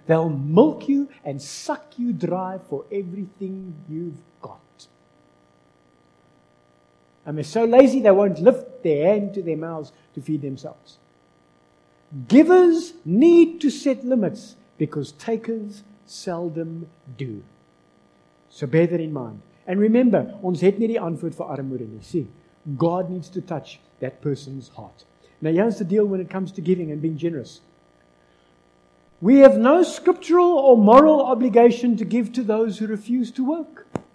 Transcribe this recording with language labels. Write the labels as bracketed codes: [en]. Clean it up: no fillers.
[en] They'll milk you and suck you dry for everything you've got. And they're so lazy they won't lift their hand to their mouths to feed themselves. Givers need to set limits because takers seldom do. So bear that in mind. And remember, [af] ons het nie die antwoord vir armoede nie. [en] See, God needs to touch that person's heart. Now, here's the deal when it comes to giving and being generous. We have no scriptural or moral obligation to give to those who refuse to work.